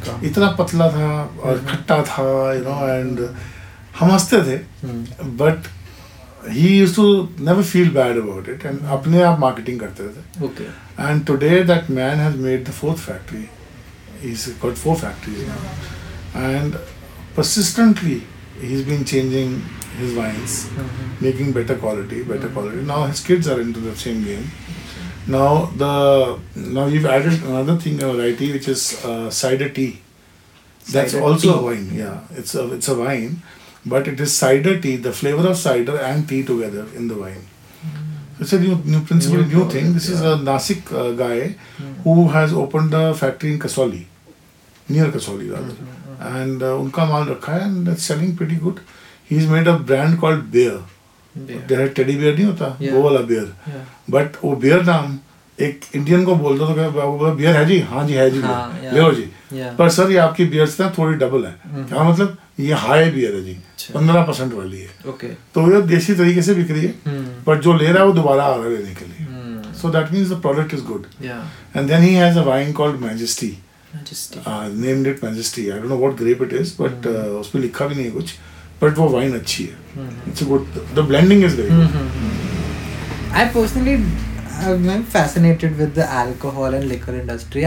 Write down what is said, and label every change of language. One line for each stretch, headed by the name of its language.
Hindi: इतना पतला था और खट्टा था, यू नो, एंड हम हंसते थे, but he use to never feel bad about it, and अपने आप मार्केटिंग करते थे.
English: Okay, and today that man has made the fourth factory, he has got 4 factories now, and persistently he has been changing his wines, making better quality, better quality. Now his kids are into the same game. Now the you've added another thing, a variety which is cider tea. That's cider also tea. A wine. Yeah, it's a wine, but it is cider tea. The flavor of cider and tea together in the wine. It's a new principle, new thing. This is a Nasik guy who has opened a factory in Kasauli, near Kasauli rather, and unka maal rakha hai, and it's selling pretty good. He's made a brand called Bear.
Hindi: जैसे teddy bear नहीं होता वो वाला beer, but वो beer नाम एक Indian को बोल दो तो बियर है जी, हाँ जी है जी, ले लो जी, पर सर ये आपकी बियर से थोड़ी डबल है. क्या मतलब, ये हाई बियर है जी, 15% वाली है. तो ये देसी तरीके से बिक रही है, बट जो ले रहा है वो दोबारा आ रहा है लेने के लिए.
English: So that means the product is good. And then he has a wine called Majesty, named it Majesty, I don't know what grape it is, but उस पर लिखा भी नहीं है कुछ, but वो wine अच्छी है. It's a good, the blending is very good. I personally am fascinated with the alcohol and liquor industry.